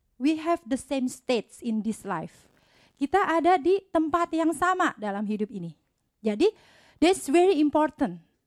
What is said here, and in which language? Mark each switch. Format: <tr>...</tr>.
<en>We have the same states in this life.</en> <id>Kita ada di tempat yang sama dalam hidup ini.</id> <en>Jadi, that's very important.</en>